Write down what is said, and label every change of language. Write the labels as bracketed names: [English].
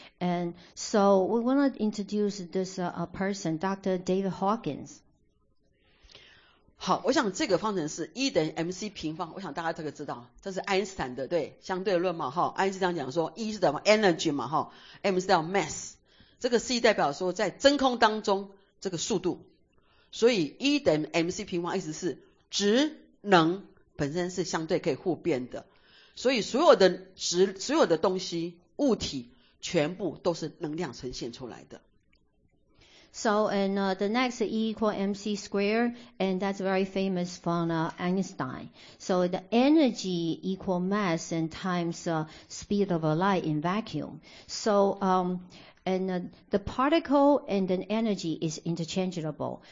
[English] And so, we want to introduce this person, Dr. David Hawkins. [Chinese] 好，我想这个方程是 E 等于 MC 平方，我想大家这个知道，这是爱因斯坦的，对，相对论嘛，哈，爱因斯坦讲说 E 是什么 energy 嘛，哈 ，M 是叫 mass， 这个 C 代表说在真空当中这个速度。所以 E 等于 MC 平方意思是职能本身是相对可以互变的，所以所有的东西物体全部都是能量呈现出来的。 [English] So and the next E equal MC square and that's very famous from Einstein. So the energy equal mass and times speed of a light in vacuum. So And the particle and the energy is interchangeable.